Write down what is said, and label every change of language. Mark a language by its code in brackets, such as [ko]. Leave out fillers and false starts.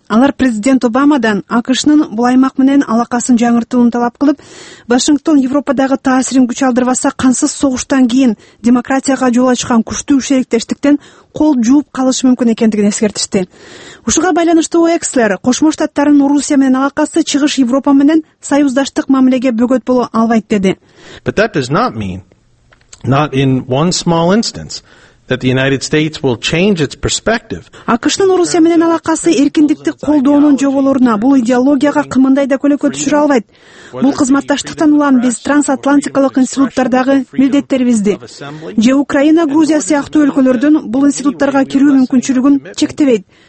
[ky] Алар президент Обамадан АКШнын бул аймак менен алакасын жаңыртууну талап кылып, Вашингтон Европадагы таасирин күч алдырбаса кансыз согуштан кийин демократияга жол ачкан күчтүү шектештиктен кол жууп калышы мүмкүн экендигин эскертишти. Ушуга байланыштуу Экслер Кошмо Штаттардын Орусия менен алакасы Чыгыш Европа менен союздаштык мамилеге бөгөт боло албайт деди. [en] But that does not mean not in one small instance that the United States will change its perspective. [ky] АКШнын Орусия менен алакасы эркиндикти колдоонун жоболоруна, бул идеологияга кымындай да көлөкө түшүрө албайт. Бул кызматташтыктан улам биз трансатлантикалык институттардагы милдеттерибизди же Украина, Грузия сыяктуу өлкөлөрдүн бул институттарга кирүү мүмкүнчүлүгүн чектебейт.